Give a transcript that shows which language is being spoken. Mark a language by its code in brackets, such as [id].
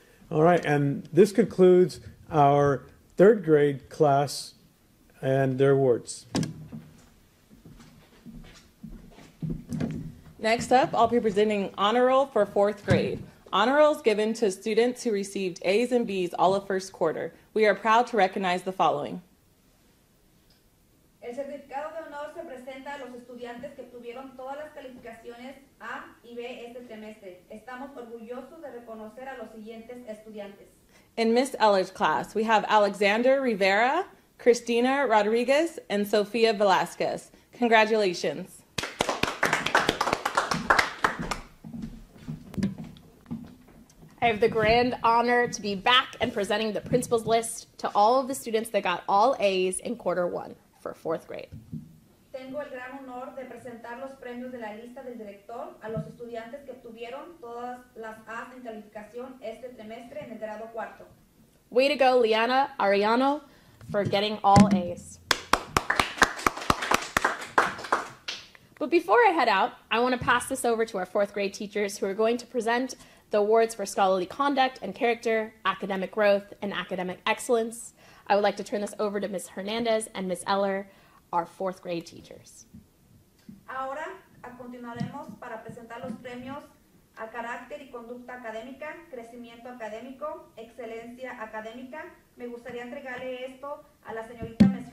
[en] All right, and this concludes our third grade class and their awards. Next up, I'll be presenting honor roll for fourth grade. Honor roll is given to students who received A's and B's all of first quarter. We are proud to recognize the following. [es] El certificado de honor se presenta a los estudiantes que tuvieron todas las calificaciones A y B este trimestre. Estamos orgullosos de reconocer a los siguientes estudiantes. [en] In Ms. Eller's class, we have Alexander Rivera, Christina Rodriguez, and Sofia Velasquez. Congratulations. I have the grand honor to be back and presenting the principal's list to all of the students that got all A's in quarter one for fourth grade. [es] Tengo el gran honor de presentar los premios de la lista del director a los estudiantes que obtuvieron todas las A's en calificación este trimestre en el grado cuarto. [en] Way to go, Liana Arellano, for getting all A's. But before I head out, I want to pass this over to our fourth grade teachers who are going to present the awards for scholarly conduct and character, academic growth, and academic excellence. I would like to turn this over to Ms. Hernandez and Ms. Eller, our fourth grade teachers. [es] Ahora, continuaremos para presentar los premios a carácter y conducta académica, crecimiento académico, excelencia académica. Me gustaría entregarle esto a la señorita Ms.